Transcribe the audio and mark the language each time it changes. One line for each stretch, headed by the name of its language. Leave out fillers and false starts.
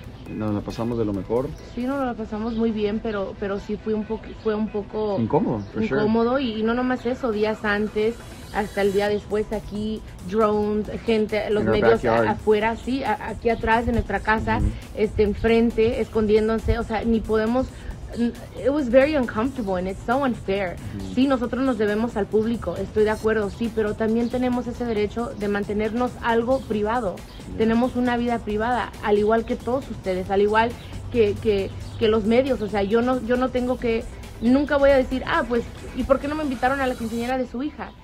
Spanish: Nos la pasamos de lo mejor. Sí, nos la pasamos muy bien, pero sí fue un poco... Incómodo,
English: for sure.
Spanish: Incómodo, y no nomás eso, días antes, hasta el día después, aquí, drones, gente, los medios afuera, sí, aquí atrás, en nuestra casa, mm-hmm. Enfrente, escondiéndose, o sea, ni podemos...
English: It was very uncomfortable and it's so unfair. Mm-hmm.
Spanish: Sí, nosotros nos debemos al público, estoy de acuerdo, sí, pero también tenemos ese derecho de mantenernos algo privado. Yeah. Tenemos una vida privada, al igual que todos ustedes, al igual que los medios. O sea, yo no tengo que, nunca voy a decir, pues, ¿y por qué no me invitaron a la quinceañera de su hija?